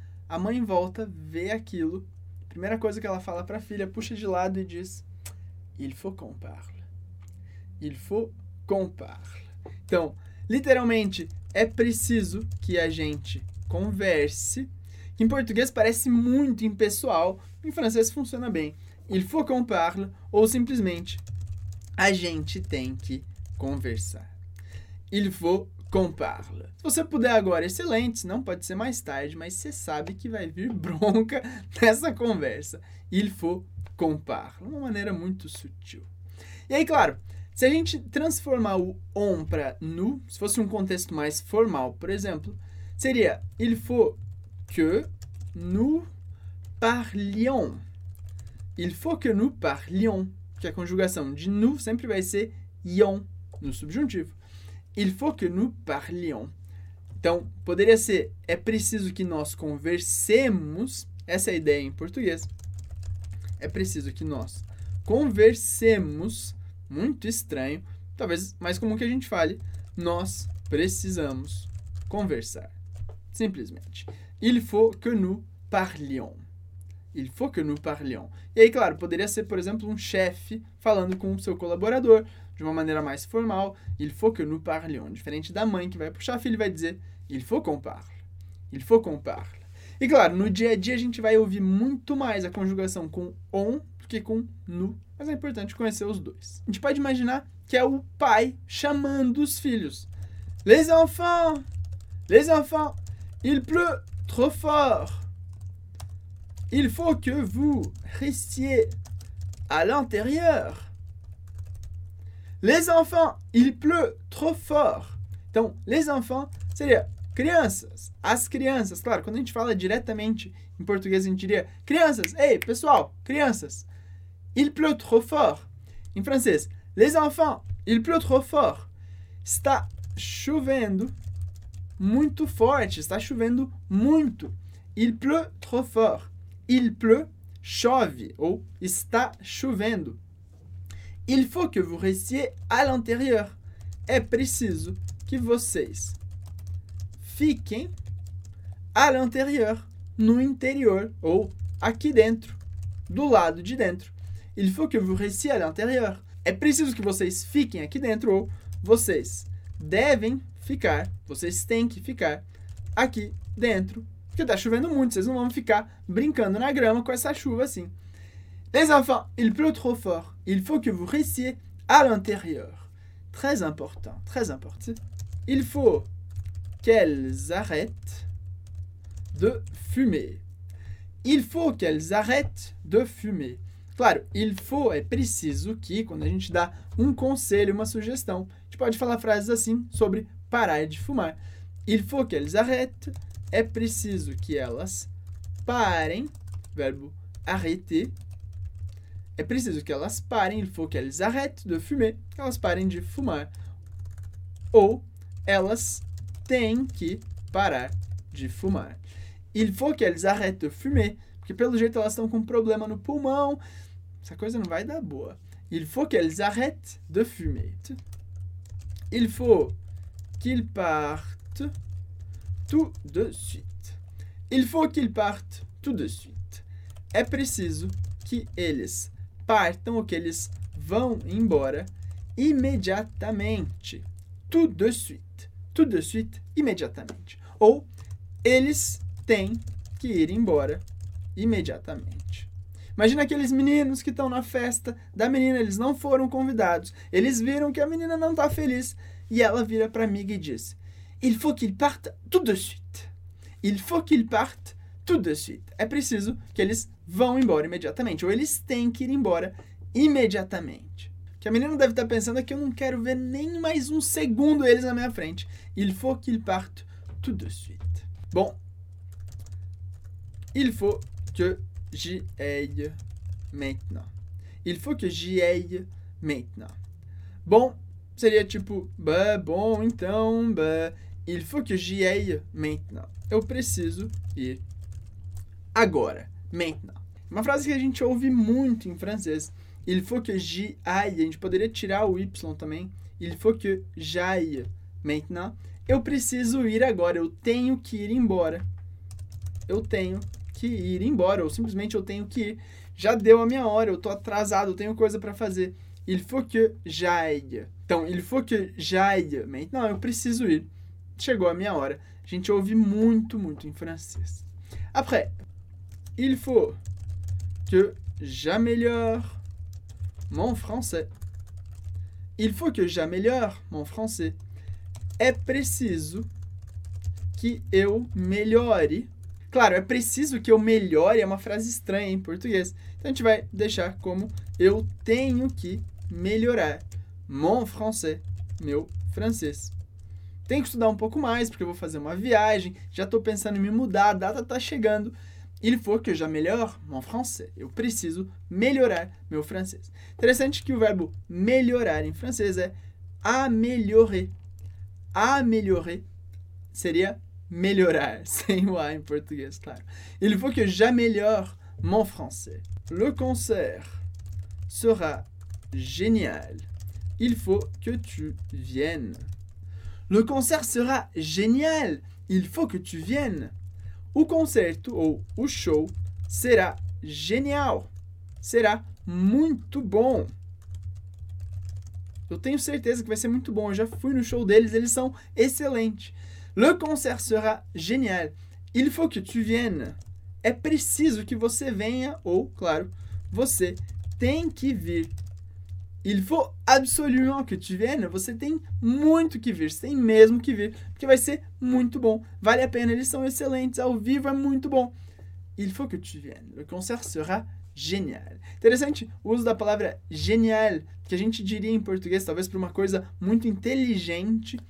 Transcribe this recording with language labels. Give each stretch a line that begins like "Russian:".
Portuguese: A mãe volta, vê aquilo. Primeira coisa que ela fala para a filha, puxa de lado e diz:
French: Il faut qu'on parle. Il faut qu'on parle.
Portuguese: Então, literalmente, é preciso que a gente converse. Em português parece muito impessoal, em francês funciona bem.
French: Il faut qu'on parle, ou simplesmente.
Portuguese: A gente tem que conversar.
French: Il faut qu'on parle.
Portuguese: Se você puder agora, excelente. Não pode ser mais tarde, mas você sabe que vai vir bronca nessa conversa.
French: Il faut qu'on parle.
Portuguese: Uma maneira muito sutil. E aí, claro, se a gente transformar o on para nu, se fosse um contexto mais formal, por exemplo, seria
French: il faut que nous parlions. Il faut que nous parlions.
Portuguese: Que a conjugação de nous sempre vai ser ion no subjuntivo.
French: Il faut que nous parlions.
Portuguese: Então, poderia ser, é preciso que nós conversemos, essa ideia em português, é preciso que nós conversemos, muito estranho, talvez mais comum que a gente fale, nós precisamos conversar, simplesmente.
French: Il faut que nous parlions. Il faut que nous parlions.
Portuguese: E aí, claro, poderia ser, por exemplo, um chefe falando com o seu colaborador de uma maneira mais formal.
French: Il faut que nous parlions.
Portuguese: Diferente da mãe que vai puxar, filho vai dizer
French: il faut qu'on parle.
Portuguese: Il faut qu'on parle. E claro, no dia a dia a gente vai ouvir muito mais a conjugação com on do que com nous. Mas é importante conhecer os dois. A gente pode imaginar que é o pai chamando os filhos.
French: Les enfants! Les enfants! Il pleut trop fort! Il faut que vous restiez à l'intérieur. Les enfants, il pleut trop fort.
Portuguese: Então, les enfants seria crianças, as crianças. Claro, quando a gente fala diretamente em português, a gente diria crianças. Ei, pessoal, crianças.
French: Il pleut trop fort.
Portuguese: Em francês,
French: les enfants, il pleut trop fort.
Portuguese: Está chovendo muito forte, está chovendo muito.
French: Il pleut trop fort. Il pleut,
Portuguese: chove, ou está chovendo.
French: Il faut que vous restiez à l'intérieur.
Portuguese: É preciso que vocês fiquem
French: à l'intérieur,
Portuguese: no interior, ou aqui dentro, do lado de dentro.
French: Il faut que vous restiez à l'intérieur.
Portuguese: É preciso que vocês fiquem aqui dentro, ou vocês devem ficar, vocês têm que ficar aqui dentro. Porque tá chovendo muito, vocês não vão ficar brincando na grama com essa chuva assim.
French: Les enfants, il pleut trop fort. Il faut que vous restiez à l'intérieur. Très important, très important. Il faut qu'elles arrêtent de fumer. Il faut qu'elles arrêtent de fumer.
Portuguese: Claro, il faut é preciso que, quando a gente dá um conselho, uma sugestão, a gente pode falar frases assim sobre parar de fumar.
French: Il faut qu'elles arrêtent.
Portuguese: É preciso que elas parem, verbo arrêter. É preciso que elas parem,
French: il faut qu'elles arrêtent de fumer,
Portuguese: que elas parem de fumar. Ou elas têm que parar de fumar.
French: Il faut qu'elles arrêtent de fumer,
Portuguese: porque pelo jeito elas estão com um problema no pulmão. Essa coisa não vai dar boa.
French: Il faut qu'elles arrêtent de fumer. Il faut qu'ils partent. Tout de suite. Il faut qu'ils partent tout de suite.
Portuguese: É preciso que eles partam ou que eles vão embora imediatamente.
French: Tout de suite. Tout de suite,
Portuguese: imediatamente. Ou eles têm que ir embora imediatamente. Imagina aqueles meninos que estão na festa da menina, eles não foram convidados. Eles viram que a menina não está feliz e ela vira para a amiga e diz:
French: Il faut qu'ils partent tout de suite. Il faut qu'ils partent tout de suite.
Portuguese: É preciso que eles vão embora imediatamente. Ou eles têm que ir embora imediatamente. O que a menina deve estar pensando é que eu não quero ver nem mais um segundo eles na minha frente.
French: Il faut qu'ils partent tout de suite. Bom, il faut que j'y aille maintenant. Il faut que j'y aille maintenant.
Portuguese: Bom, seria tipo, bah, bom, então, bah,
French: il faut que j'y aille maintenant.
Portuguese: Eu preciso ir agora, maintenant. Uma frase que a gente ouve muito em francês.
French: Il faut que j'y aille.
Portuguese: A gente poderia tirar o Y também.
French: Il faut que j'aille maintenant.
Portuguese: Eu preciso ir agora. Eu tenho que ir embora. Eu tenho que ir embora. Ou simplesmente eu tenho que ir. Já deu a minha hora. Eu tô atrasado. Eu tenho coisa para fazer.
French: Il faut que j'aille. Então, il faut que j'aille maintenant.
Portuguese: Eu preciso ir. Chegou a minha hora. A gente ouve muito, muito em francês.
French: Après, il faut que j'améliore mon français. Il faut que j'améliore mon français.
Portuguese: É preciso que eu melhore. Claro, é preciso que eu melhore. É uma frase estranha em português. Então, a gente vai deixar como eu tenho que melhorar
French: mon français,
Portuguese: meu francês. Tenho que estudar um pouco mais, porque eu vou fazer uma viagem, já estou pensando em me mudar, a data está chegando. Il faut que j'améliore mon français. Eu preciso melhorar meu francês. Interessante que o verbo melhorar em francês é améliorer. Améliorer seria melhorar.
English: Same way in Portuguese,
Portuguese: claro.
French: Il faut que j'améliore mon français. Le concert sera génial. Il faut que tu viennes. Le concert sera génial. Il faut que tu viennes.
Portuguese: O concerto ou o show será genial. Será muito bom. Eu tenho certeza que vai ser muito bom. Eu já fui no show deles. Eles são excelentes.
French: Le concert sera génial. Il faut que tu viennes.
Portuguese: É preciso que você venha. Ou, claro, você tem que vir.
French: Il faut absolument que tu viennes.
Portuguese: Você tem muito que vir. Você tem mesmo que vir. Porque vai ser muito bom. Vale a pena. Eles são excelentes. Ao vivo é muito bom.
French: Il faut que tu viennes. Le concert sera génial.
Portuguese: Interessante o uso da palavra génial, que a gente diria em português, talvez, para uma coisa muito inteligente.